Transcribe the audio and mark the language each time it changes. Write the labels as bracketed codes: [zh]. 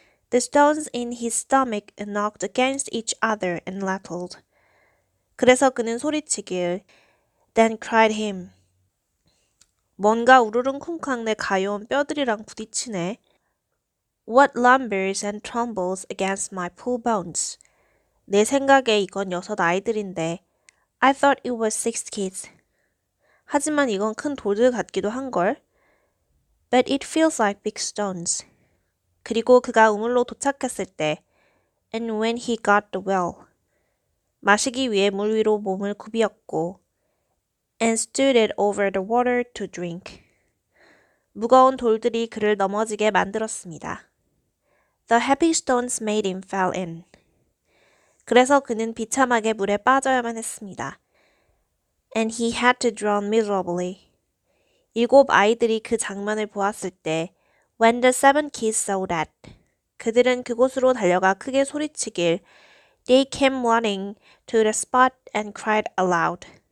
[en] The stones in his stomach knocked against each other and rattled. [ko] 그래서 그는 소리치길, [en] Then cried him, [ko] 뭔가 우르릉쿵쾅 내 가여운 뼈들이랑 부딪치네. [en] What lumbers and trembles against my poor bones? [ko] 내 생각에 이건 여섯 아이들인데. [en] I thought it was six kids. [ko] 하지만 이건 큰 돌들 같기도 한걸. [en] But it feels like big stones. [ko] 그리고 그가 우물로 도착했을 때. [en] And when he got the well. [ko] 마시기 위해 물 위로 몸을 굽이었고. [en] And stood it over the water to drink. [ko] 무거운 돌들이 그를 넘어지게 만들었습니다. [en] The heavy stones made him fall in. [ko] 그래서 그는 비참하게 물에 빠져야만 했습니다. [en] And he had to drown miserably. [ko] 일곱 아이들이 그 장면을 보았을 때, [en] When the seven kids saw that, [ko] 그들은 그곳으로 달려가 크게 소리치길, [en] They came running to the spot and cried aloud.